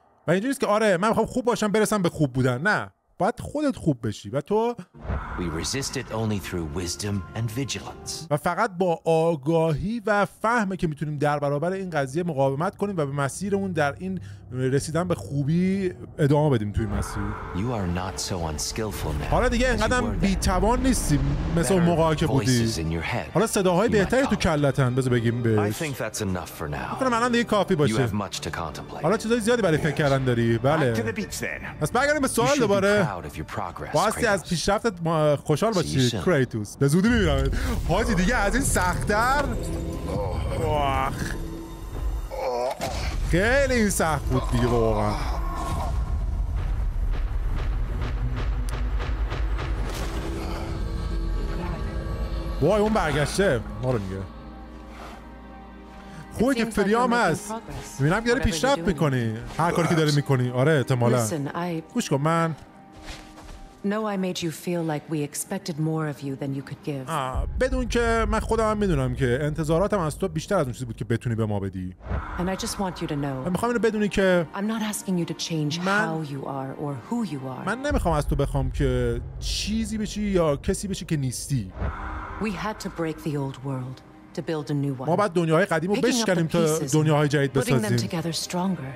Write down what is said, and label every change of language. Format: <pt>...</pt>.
<fa>و اینجوری نیست که آره من میخوام خوب باشم برسم به خوب بودن، نه، باید خودت خوب بشی. و تو</fa> <en>We resist it only through wisdom and vigilance.</en> <fa>و فقط با آگاهی و فهمه که میتونیم در برابر این قضیه مقاومت کنیم و به مسیرمون در این رسیدن به خوبی ادامه بدیم توی مسیر.</fa> <en>You are not so unskillful now.</en> <fa>حالا دیگه اینقدر بیتوان نیستی مثل اون موقعی که بودی. حالا صداهای بهتری تو کلتن، بذار بگیم بهش.</fa> <en>I think that's enough for now.</en> <fa>فکر کنم الان دیگه کافی باشه.</fa> <en>You have much to contemplate.</en> <fa>حالا چیزای زیادی برای فکر کردن داری. بله. پس برگردیم به سوال دوباره. باعثی از پیشرفتت خوشحال باشی کریتوس. به زودی میبینم حاجی دیگه از این سخت‌تر. خیلی این سخت بود دیگه واقعا. وای اون برگشته ما رو میگه. خوبه که فریام هست، میبینم داری پیشرفت میکنی هر کاری که داری میکنی. آره احتمالا. گوش کن من</fa> <en>No, I made you feel like we expected more of you than you could give.</en> <fa>بدون که من خودم هم میدونم که انتظاراتم از تو بیشتر از اون چیزی بود که بتونی به ما بدی.</fa> <en>And I just want you to know.</en> <fa>من میخوام اینو بدونی که</fa> <en>I'm not asking you to change how you are or who you are.</en> <fa>من نمیخوام از تو بخوام که چیزی بشی یا کسی بشی که نیستی.</fa> <en>We had to break the old world to build a new one.</en> <fa>ما باید دنیاهای قدیم رو بشکنیم تا دنیاهای جدید بسازیم.</fa>